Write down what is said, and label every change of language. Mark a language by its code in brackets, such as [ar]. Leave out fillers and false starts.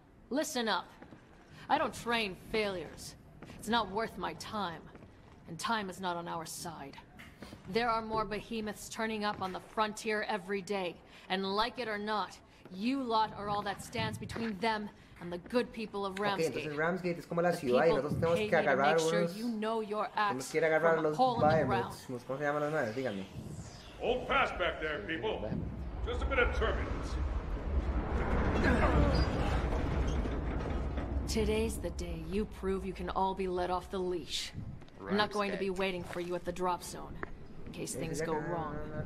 [en] Listen up. I don't train failures. It's not worth my time. And time is not on our side. There are more behemoths turning up on the frontier every day. And like it or not, you lot are all that stands between them and the good people of Ramsgate. [es] Okay, entonces Ramsgate es como la ciudad y nosotros tenemos que agarrar unos... [en] Sure you know your axe. [es] Tenemos que ir a agarrar los Bahamuts. ¿Cómo se llaman las naves? Díganme. [en] Hold fast back there, people. Just a bit of turbulence. Today's the day you prove you can all be let off the leash. I'm not going to be waiting for you at the drop zone, in case things go wrong.